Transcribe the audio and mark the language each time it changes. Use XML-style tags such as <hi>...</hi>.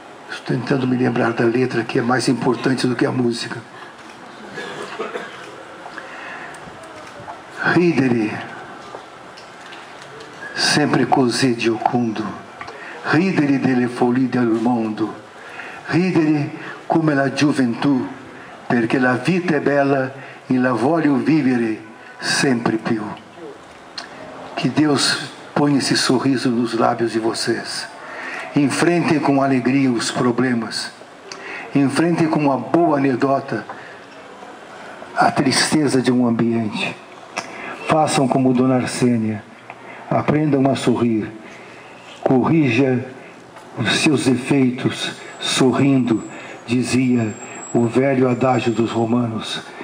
<pt>Estou tentando me lembrar da letra, que é mais importante do que a música.</pt> <it>Ridere, sempre così giocundo, ridere delle folie del mondo, ridere come la gioventù, perché la vita è bella e la voglio vivere sempre più.</it> <pt>Que Deus ponha esse sorriso nos lábios de vocês. Enfrentem com alegria os problemas. Enfrentem com uma boa anedota a tristeza de um ambiente. Façam como Dona Arsênia, aprendam a sorrir, corrija os seus defeitos sorrindo, dizia o velho adágio dos romanos.</pt>